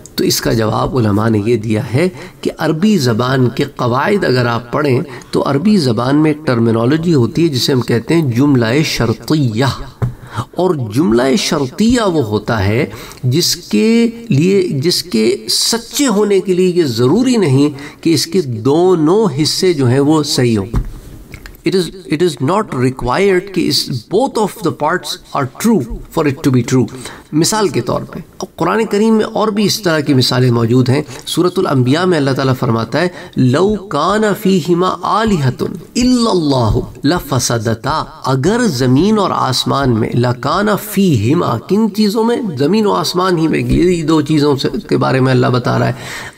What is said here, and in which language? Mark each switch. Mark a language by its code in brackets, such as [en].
[ur] تو اس کا جواب علماء نے یہ دیا ہے کہ عربی زبان کے قواعد اگر آپ پڑھیں تو عربی زبان میں ٹرمنالوجی ہوتی ہے جسے ہم کہتے ہیں جملہ شرطیہ اور جملہ شرطیہ وہ ہوتا ہے جس کے سچے ہونے کے لیے یہ ضروری نہیں کہ اس کے دونوں حصے جو ہیں وہ صحیح ہوں. [en] It is not required کہ both of the parts are true for it to be true. [ur] مثال کے طور پر قرآن کریم میں اور بھی اس طرح کی مثالیں موجود ہیں. سورة الانبیاء میں اللہ تعالیٰ فرماتا ہے [ar] لَوْ كَانَ فِيهِمَا آلِهَةٌ إِلَّا اللَّهُ لَفَسَدَتَا [ur] اگر زمین اور آسمان میں [ar] لَكَانَ فِيهِمَا [ur] کن چیزوں میں زمین اور آسمان ہی میں یہ دو چیزوں کے بارے میں اللہ بتا رہا ہے